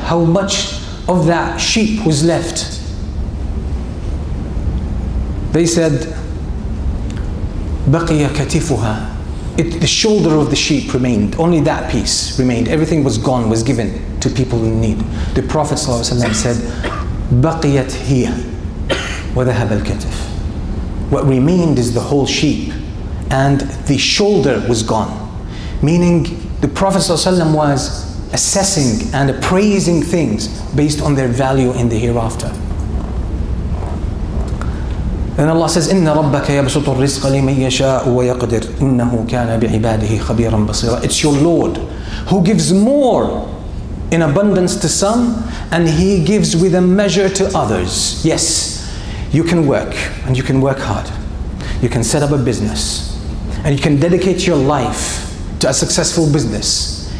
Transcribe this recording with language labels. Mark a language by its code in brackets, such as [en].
[en] How much of that sheep was left? They said, [ar] بَقِيَ كَتِفُهَا. [en] The shoulder of the sheep remained. Only that piece remained. Everything was gone, was given to people in need. The Prophet ﷺ said, [ar] بَقِيَتْ هِيَ وَذَهَبَ الْكَتِفُ. [en] What remained is the whole sheep. And the shoulder was gone. Meaning the Prophet ﷺ was assessing and appraising things based on their value in the hereafter. Then Allah says, [ar] إِنَّ رَبَّكَ يَبْسُطُ الرِّزْقَ لِمَنْ يَشَاءُ وَيَقْدِرُ إِنَّهُ كَانَ بِعِبَادِهِ خَبِيرًا بَصِيرًا. [en] It's your Lord who gives more in abundance to some, and He gives with a measure to others. Yes, you can work, and you can work hard. You can set up a business, and you can dedicate your life to a successful business.